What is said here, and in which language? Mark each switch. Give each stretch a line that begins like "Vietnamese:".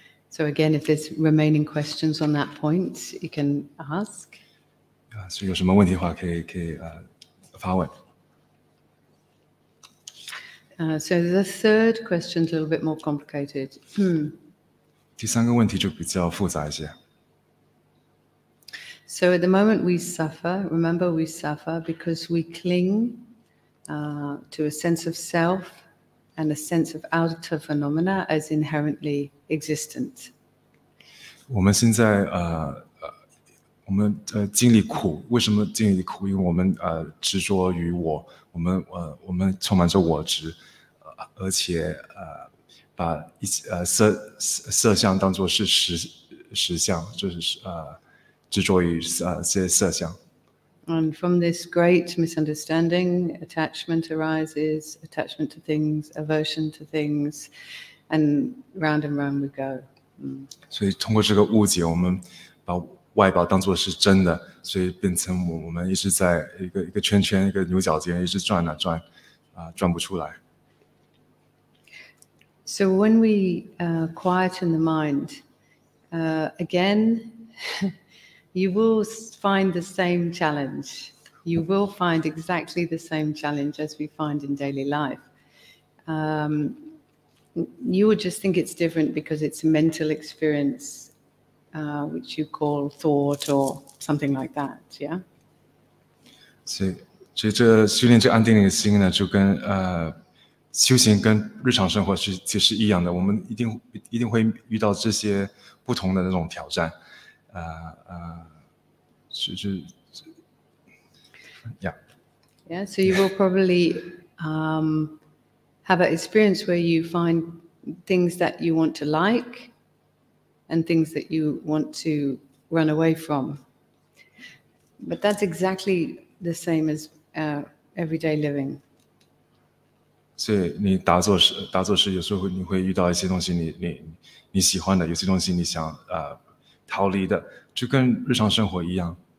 English: So again, if there's remaining questions on that point, you can ask.
Chinese: 所以有什么问题的话，可以发问。
English: So the third question is a little bit more complicated.
Chinese: 第三个问题就比较复杂一些。
English: So at the moment we suffer, remember we suffer because we cling to a sense of self and a sense of outer phenomena as inherently existent.
Chinese: 我们现在我们经历苦，为什么经历苦？因为我们执着于我们充满着我执。而且把色相当作是实相，就是执着于这些色相。
English: And from this great misunderstanding, attachment arises, attachment to things, aversion to things, and round we go.
Chinese: 所以通过这个误解，我们把外表当作是真的，所以变成我们一直在一个圈圈，一个牛角尖，一直转啊转，转不出来。
English: So when we quieten the mind, again, you will find the same challenge. You will find exactly the same challenge as we find in daily life. You would just think it's different because it's a mental experience, which you call thought or something like that, yeah?
Chinese: So, 其实这训练这安定的心呢，就跟修行跟日常生活其实一样的，我们一定会遇到这些不同的那种挑战，
English: So you will probably have an experience where you find things that you want to like, and things that you want to run away from. But that's exactly the same as everyday living.
Chinese: 所以你打坐时，有时候你会遇到一些东西你喜欢的，有些东西你想逃离的，就跟日常生活一样。